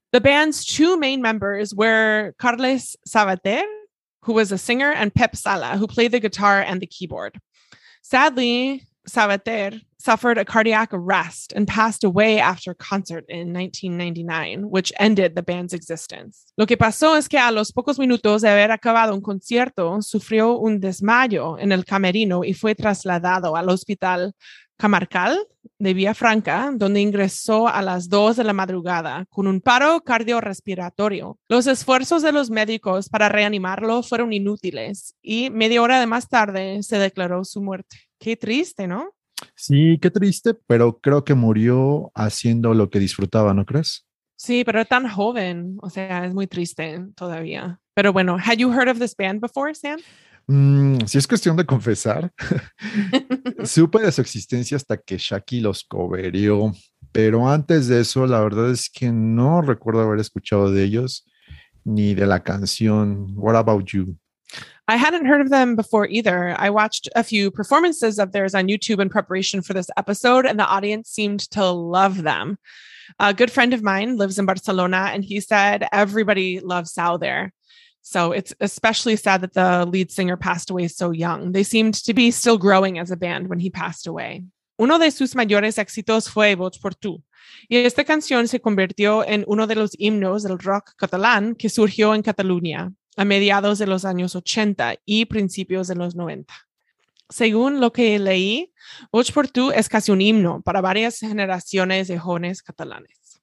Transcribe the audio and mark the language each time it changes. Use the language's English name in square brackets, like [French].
[English] The band's two main members were Carles Sabater, who was a singer, and Pep Sala, who played the guitar and the keyboard. Sadly, Sabater suffered a cardiac arrest and passed away after a concert in 1999, which ended the band's existence. [Spanish] Lo que pasó es que a los pocos minutos de haber acabado un concierto, sufrió un desmayo en el camerino y fue trasladado al hospital Comarcal de Villafranca, donde ingresó a las 2 de la madrugada con un paro cardiorrespiratorio. Los esfuerzos de los médicos para reanimarlo fueron inútiles y media hora más tarde se declaró su muerte. Qué triste, ¿no? Sí, qué triste, pero creo que murió haciendo lo que disfrutaba, ¿no crees? Sí, pero tan joven, o sea, es muy triste todavía. Pero bueno, [English] ¿had you heard of this band before, Sam? [Spanish] Si es cuestión de confesar, supe de su existencia hasta que Shaki los coverió, pero antes de eso, la verdad es que no recuerdo haber escuchado de ellos ni de la canción What About You. [English] I hadn't heard of them before either. I watched a few performances of theirs on YouTube in preparation for this episode, and the audience seemed to love them. A good friend of mine lives in Barcelona, and he said everybody loves Sau there. So it's especially sad that the lead singer passed away so young. They seemed to be still growing as a band when he passed away. [Spanish] Uno de sus mayores éxitos fue Vots por Tu. Y esta canción se convirtió en uno de los himnos del rock catalán que surgió en Cataluña a mediados de los años 80 y principios de los 90. Según lo que leí, Vots por Tu es casi un himno para varias generaciones de jóvenes catalanes.